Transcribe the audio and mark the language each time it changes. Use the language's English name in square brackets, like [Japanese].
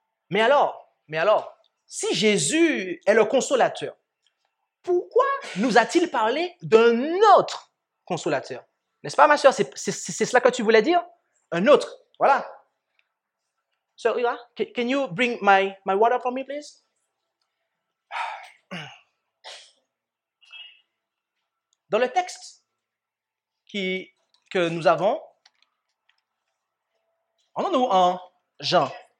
[French] Mais alors, si Jésus est le consolateur, pourquoi nous a-t-il parlé d'un autre consolateur? N'est-ce pas, ma sœur? C'est cela que tu voulais dire? Un autre, voilà. [English] So, Ira, can you bring my water for me, please? [French] Dans le texte que nous avons, rendons-nous en Jean.